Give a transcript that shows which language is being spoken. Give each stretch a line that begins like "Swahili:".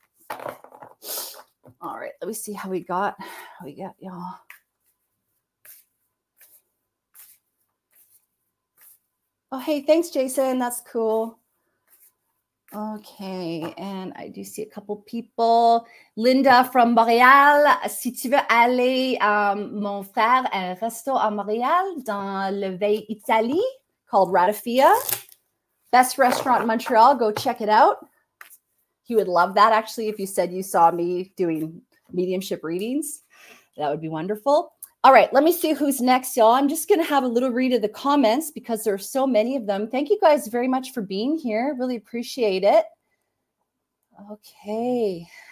English: All right, let me see how we got. How we got y'all. Oh, hey, thanks, Jason. That's cool. Okay, and I do see a couple people. Linda from Montréal.
French: Si tu veux aller, mon frère a un resto à Montréal dans le Vieux Italie
English: called Ratafia. Best restaurant in Montreal. Go check it out. He would love that, actually, if you said you saw me doing mediumship readings. That would be wonderful. All right, let me see who's next, y'all. I'm just going to have a little read of the comments because there are so many of them. Thank you guys very much for being here. Really appreciate it. Okay.